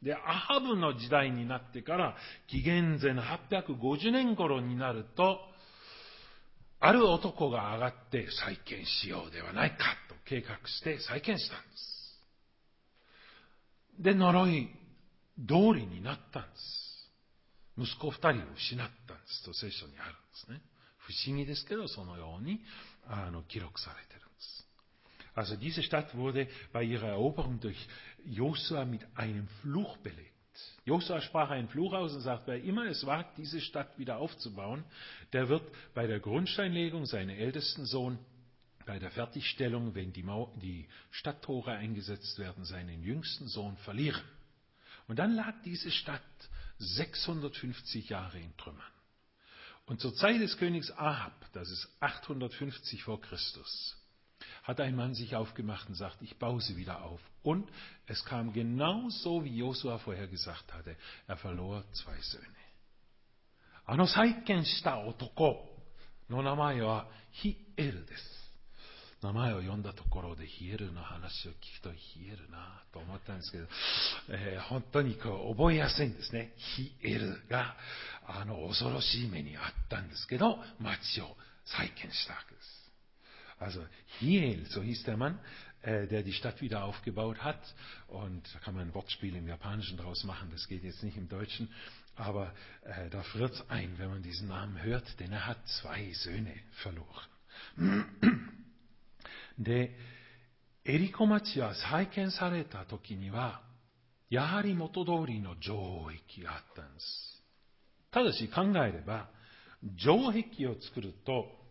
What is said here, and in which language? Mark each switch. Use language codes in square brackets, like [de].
[ja] で、アハブの時代になってから紀元前850年頃になると、ある男が上がって再建しようではないかと計画して再建したんです。で、呪い通りになったんです。息子二人を失ったんですと聖書にあるんですね。不思議ですけど、そのように記録されてるんです。 [de] Also diese Stadt wurde bei ihrer Eroberung durch Josua mit einem Fluch belegt. Josua sprach einen Fluch aus und sagt, wer immer es wagt, diese Stadt wieder aufzubauen, der wird bei der Grundsteinlegung seinen ältesten Sohn, bei der Fertigstellung, wenn die Stadttore eingesetzt werden, seinen jüngsten Sohn verlieren. Und dann lag diese Stadt 650 Jahre in Trümmern. Und zur Zeit des Königs Ahab, das ist 850 vor Christus, hat ein Mann sich aufgemacht und sagt, ich baue sie wieder auf. Und es kam genau so, wie Josua vorher gesagt hatte. Er verlor zwei Söhne. [ja] あの再建した男の名前はヒエルです。名前を読んだところでヒエルの話を聞くとヒエルなと思ったんですけど、本当にこう覚えやすいんですね。ヒエルが恐ろしい目にあったんですけど、町を再建したわけです。 [de] Also Hiel, so hieß der Mann, der die Stadt wieder aufgebaut hat. Und da kann man ein Wortspiel im Japanischen draus machen, das geht jetzt nicht im Deutschen. Aber da friert es ein, wenn man diesen Namen hört, denn er hat zwei Söhne verloren. [ja] で、エリコ町は再建された時には、やはり元通りの城壁があったんです。ただし考えれば、城壁を作ると、